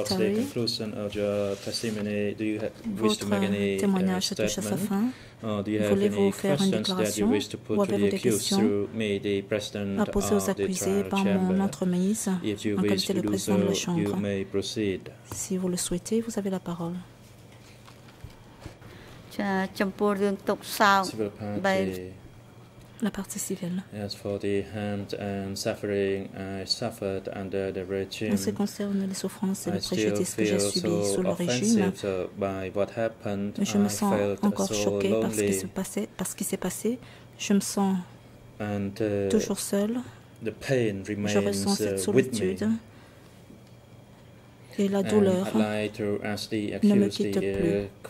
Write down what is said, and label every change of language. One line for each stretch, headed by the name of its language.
English: Towards the conclusion of your testimony, do you wish to make any statement? Do you have any questions that you wish to put to the accused through me, the President of the trial chamber? If you wish to do so, you may proceed.
French: Si vous le souhaitez, vous avez la parole.
English: Civil party.
French: La partie civile.
English: As for the harm and suffering I suffered under the regime,
French: en ce qui concerne les souffrances et les préjudices que j'ai subis sous le régime,
English: by what happened,
French: je me sens encore choquée par ce qui s'est passé. Je me sens toujours seule.
English: The pain remains,
French: je ressens cette solitude et la douleur ne me quitte plus.